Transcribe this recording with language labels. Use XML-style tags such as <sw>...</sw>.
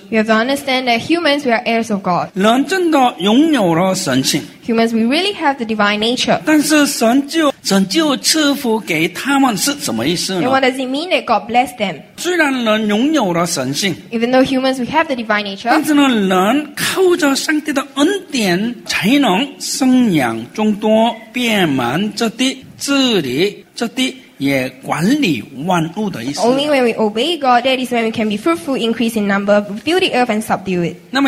<en>You have to understand that humans, we are heirs of God.</en> <zh>人真的拥有了神性。</zh> <en>Humans, we really have the divine nature.</en> <zh>但是神就赐福给他们是什么意思呢?</zh> <en>And what does it mean that God blessed them?</en> <zh>虽然人拥有了神性,</zh> <en>even though humans, we have the divine nature,</en> <zh>但是呢,人靠着上帝的恩典才能生养众多,遍满这地,治理这地, 也管理万物的意思。</zh> <en>Only when we obey God, that is when we can be fruitful, increase in number, fill the earth and subdue it.</en>